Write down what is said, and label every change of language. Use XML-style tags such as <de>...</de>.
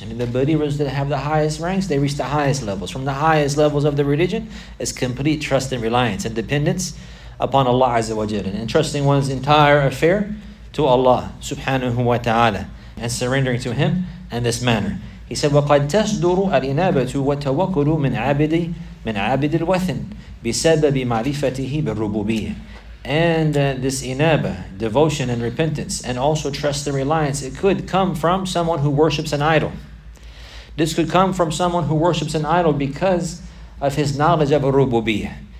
<en>I mean, the believers that have the highest ranks, they reach the highest levels. From the highest levels of the religion is complete trust and reliance and dependence upon Allah Azza wa Jalla, and trusting one's entire affair to Allah subhanahu wa ta'ala, and surrendering to Him in this manner. He said,</en> <ar>وَقَدْ تَسْدُرُ الْإِنَابَةُ وَالتَّوَكُّلُ مِنْ عَابِدِ الْوَثْنِ بِسَبَبِ مَعْرِفَتِهِ بِالرُّبُوبِيَّةِ.</ar> <en>And this inaba, devotion and repentance, and also trust and reliance, it could come from someone who worships an idol. This could come from someone who worships an idol because of his knowledge of al-Rububiyyah.</en>